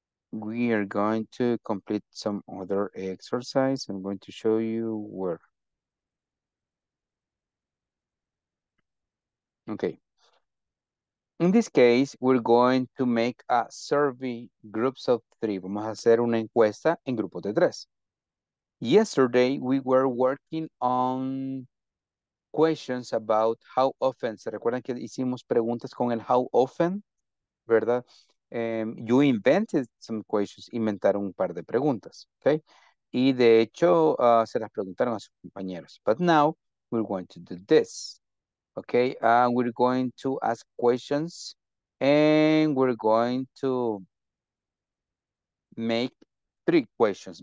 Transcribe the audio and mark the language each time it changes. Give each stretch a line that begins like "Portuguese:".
English: We are going to complete some other exercise. I'm going to show you where. Okay. In this case, we're going to make a survey groups of three.
Spanish: Vamos a hacer una encuesta en grupos de tres.
English: Yesterday, we were working on questions about how often.
Spanish: ¿Se recuerdan que hicimos preguntas con el how often? ¿Verdad?
English: You invented some questions,
Spanish: inventaron un par de preguntas,
English: okay?
Spanish: Y de hecho, se las preguntaron a sus compañeros.
English: But now, we're going to do this, okay? We're going to ask questions, and we're going to make three questions.